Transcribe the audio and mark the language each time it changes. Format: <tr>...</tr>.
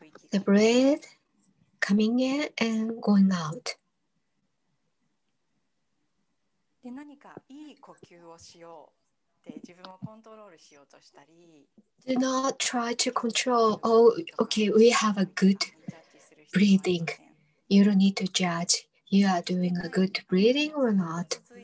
<en>The breath coming in and going out.</en> <ja>で何かいい呼吸をしようって自分をコントロールしようとしたり</ja> <en>Do not try to control. Oh, okay, we have a good breathing. You don't need to judge. You are doing a good breathing or not.</en>